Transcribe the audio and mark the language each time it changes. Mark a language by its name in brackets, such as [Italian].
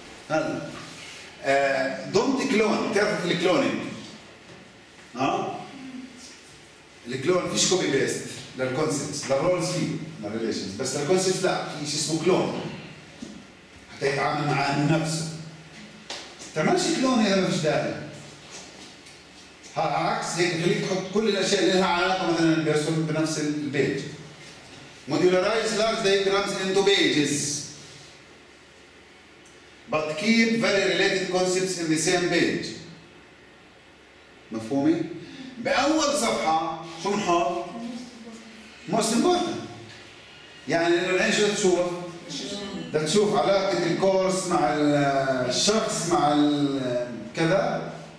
[Arabic] هلا دونت كلون، بتعرف الكلونينج؟ الكلون فيش كوبي بيست للكونسبتس، للرولز فيه للريليشنز، بس للكونسبتس لا، في شيء اسمه كلون حتى يتعامل مع نفسه. تعملش كلون اذا مش داخل. هالعكس هيك خليك تحط كل الاشياء اللي لها علاقه مثلا بيرسون بنفس البيج. [English] Modularize large diagrams into pages. But keep very related concepts in the same page. [Arabic] مفهومي؟ بأول صفحة شو بنحط؟ [English] Most important. [Arabic] يعني لو ايش بدك تشوف؟ بدك تشوف علاقة الكورس مع الشخص مع كذا.